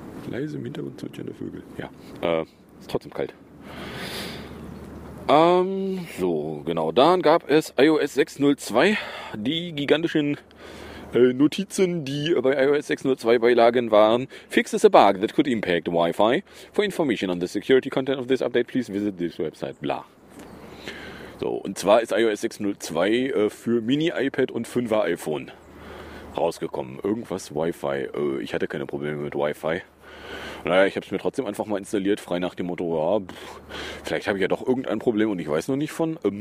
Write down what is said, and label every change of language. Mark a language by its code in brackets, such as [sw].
[de] Leise im Hintergrund zwitschern der Vögel. Ja, ist trotzdem kalt. So, genau. Dann gab es iOS 6.02. Die gigantischen Notizen, die bei iOS 6.02 Beilagen waren. [en] Fixes a bug that could impact Wi-Fi. For information on the security content of this update, please visit this website. Bla. [de] So, und zwar ist iOS 6.02 für Mini-iPad und 5er iPhone rausgekommen. Irgendwas Wi-Fi. Ich hatte keine Probleme mit Wi-Fi. Naja, ich habe es mir trotzdem einfach mal installiert, frei nach dem Motto, ja, vielleicht habe ich ja doch irgendein Problem und ich weiß noch nicht von.